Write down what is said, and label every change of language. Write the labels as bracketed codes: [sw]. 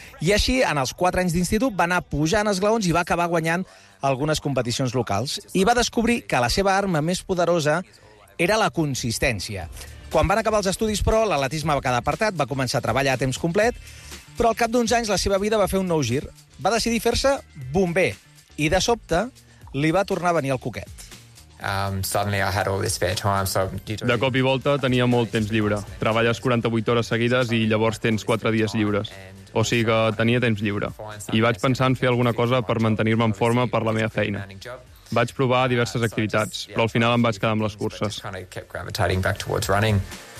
[ca] I així, en els 4 anys d'institut, va anar pujant esglaons i va acabar guanyant algunes competicions locals. I va descobrir que la seva arma més poderosa era la consistència. Quan van acabar els estudis, però, l'atletisme va quedar apartat, va començar a treballar a temps complet, però al cap d'uns anys la seva vida va fer un nou gir. Va decidir fer-se bomber. I de sobte, li va tornar a venir el cuquet. [en] Suddenly I had all this spare time, so... [ca] De cop i volta tenia molt temps lliure. Treballes 48 hores seguides i llavors tens 4 dies lliures. O sigui que tenia temps lliure. I vaig pensar en fer alguna cosa per mantenir-me en forma per la meva feina. Vaig provar diverses activitats, però al final em vaig quedar amb les curses.